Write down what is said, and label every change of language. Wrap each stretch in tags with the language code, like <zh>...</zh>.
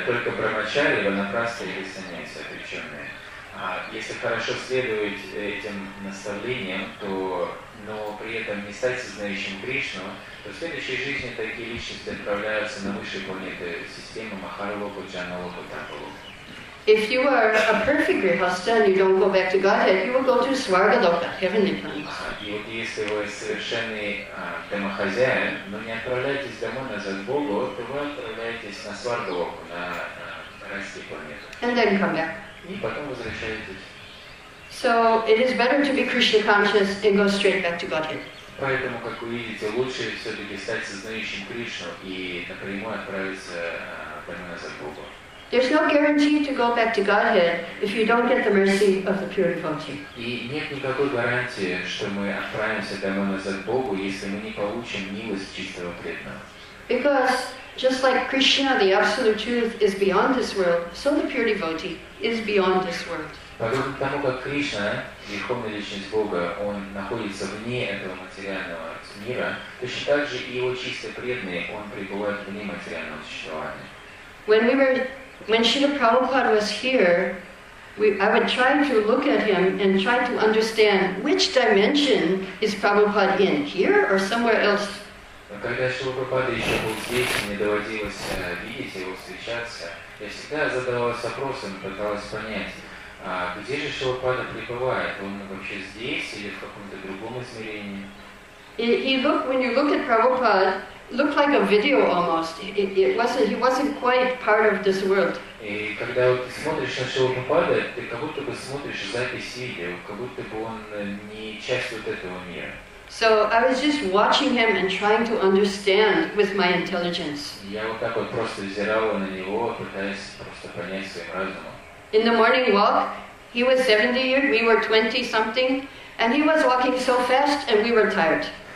<ru>Только брамачари, ванапрасты или саньяси отвлеченные. А если хорошо следовать этим наставлениям, то... но при этом не стать сознающим Кришну, то в следующей жизни такие личности отправляются на высшие планеты системы Махаралоку, Джаналоку, Тапалоку.</ru> <en>If you are a perfect grihastha and you don't go back to Godhead, you will go to Svargaloka, heavenly planets.</en> <ru>И вот если вы совершенный домохозяин, но не отправляетесь домой назад к Богу, то вы отправляетесь на Свар-Галоку, на райские планеты.</ru> <en>And then come back.</en> <ru>И потом возвращаетесь.</ru> <en>So it is better to be Krishna conscious and go straight back to Godhead.</en> <ru>Поэтому, как вы видите, лучше все-таки стать сознающим Кришну и напрямую отправиться прямо назад к Богу.</ru> <en>There's no guarantee to go back to Godhead if you don't get the mercy of the pure devotee.</en> <ru>И нет никакой гарантии, что мы отправимся прямо назад к Богу, если мы не получим милость чистого преданного.</ru> <en>Because just like Krishna, the absolute truth is beyond this world, so the pure devotee is beyond this world.</en> <ru>Подобно тому, как Кришна, Верховная Личность Бога, Он находится вне этого материального мира, точно так же и Его чистый преданный, Он пребывает вне материального существования.</ru> <en>When Śrīla Prabhupāda was here, I would try to look at Him and try to understand which dimension is Prabhupāda in, here or somewhere else?</en> <ru>Когда Śrīla Prabhupāda еще был здесь, мне доводилось видеть Его, встречаться, я всегда задавалась вопросом, пыталась понять, а где же Шилопада пребывает? Он вообще здесь или в каком-то другом измерении?</ru> <en>he looked, when you looked at Prabhupada, looked like a video almost. He wasn't quite part of this world.</en> <ru>И когда вот ты смотришь на Шрилу Прабхупаду, ты как будто бы смотришь запись видео, как будто бы он не часть вот этого мира.</ru> <en>So I was just watching him and trying to understand with my intelligence.</en> <ru>Я вот так вот просто взирал на него, пытаясь просто понять своим разумом.</ru> <en>In the morning walk, he was 70 years, we were 20 something, and he was walking so fast and we were tired.</en>